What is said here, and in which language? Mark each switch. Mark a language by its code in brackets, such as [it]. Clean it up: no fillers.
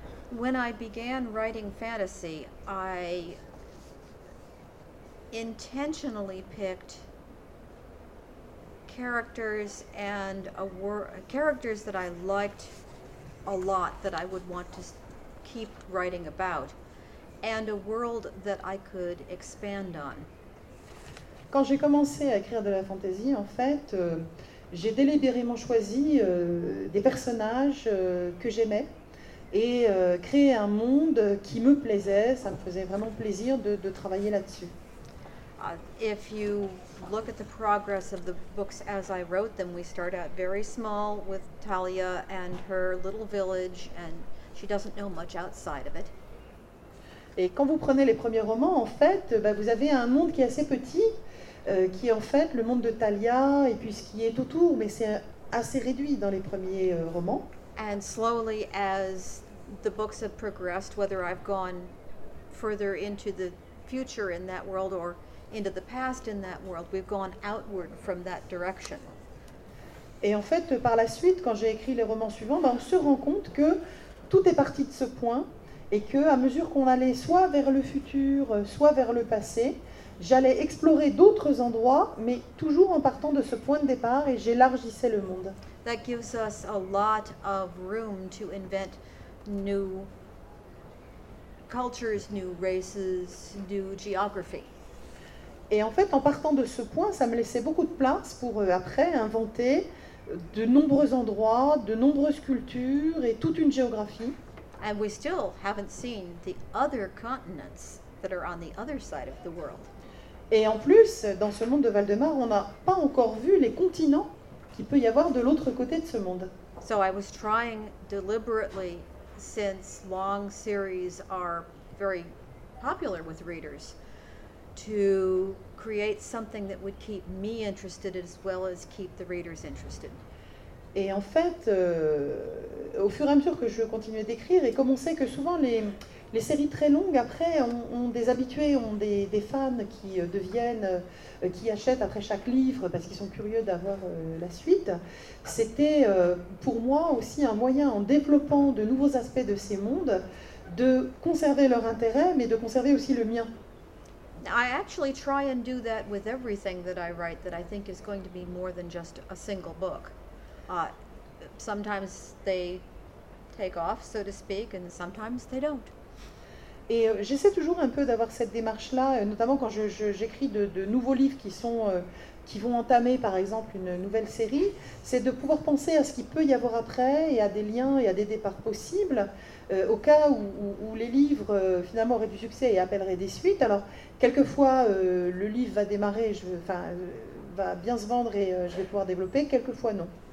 [en] When I began writing fantasy, I intentionally picked characters and characters that I liked a lot that I would want to keep writing about, and a world that I could expand on. [fr] Quand j'ai commencé à écrire de la fantasy, en fait, j'ai délibérément choisi des personnages que j'aimais. Et créer un monde qui me plaisait, ça me faisait vraiment plaisir de travailler là-dessus. [en] If you look at the progress of the books as I wrote them, we start out very small with Talia and her little village, and she doesn't know much outside of it. [fr] Et quand vous prenez les premiers romans, en fait, vous avez un monde qui est assez petit, qui est en fait le monde de Talia, et puis ce qui est autour, mais c'est assez réduit dans les premiers romans. [en] And slowly, as the books have progressed, whether I've gone further into the future in that world or into the past in that world. We've gone outward from that direction. [fr] Et en fait, par la suite, quand j'ai écrit les romans suivants, ben on se rend compte que tout est parti de ce point et qu'à mesure qu'on allait soit vers le futur, soit vers le passé, j'allais explorer d'autres endroits, mais toujours en partant de ce point de départ et j'élargissais le monde. [en] That gives us a lot of room to invent new cultures, new races, new geography. [fr] Et en fait, en partant de ce point, ça me laissait beaucoup de place pour après inventer de nombreux endroits, de nombreuses cultures et toute une géographie. [en] And we still haven't seen the other continents that are on the other side of the world. [fr] Et en plus, dans ce monde de Valdemar, on n'a pas encore vu les continents qu'il peut y avoir de l'autre côté de ce monde. [en] So I was trying deliberately, since long series are very popular with readers, to create something that would keep me interested as well as keep the readers interested. [fr] Et en fait, au fur et à mesure que je continuais d'écrire, et comme on sait que souvent les séries très longues après ont des habitués, ont des fans qui deviennent, qui achètent après chaque livre parce qu'ils sont curieux d'avoir la suite, c'était pour moi aussi un moyen, en développant de nouveaux aspects de ces mondes, de conserver leur intérêt, mais de conserver aussi le mien. [en] I actually try and do that with everything that I write that I think is going to be more than just a single book. Sometimes they take off, so to speak, and sometimes they don't. [fr] Et j'essaie toujours un peu d'avoir cette démarche-là, notamment quand j'écris de nouveaux livres qui vont entamer, par exemple, une nouvelle série, c'est de pouvoir penser à ce qu'il peut y avoir après et à des liens et à des départs possibles. Au cas où les livres finalement auraient du succès et appelleraient des suites, alors quelquefois le livre va démarrer, va bien se vendre et je vais pouvoir développer, quelquefois non.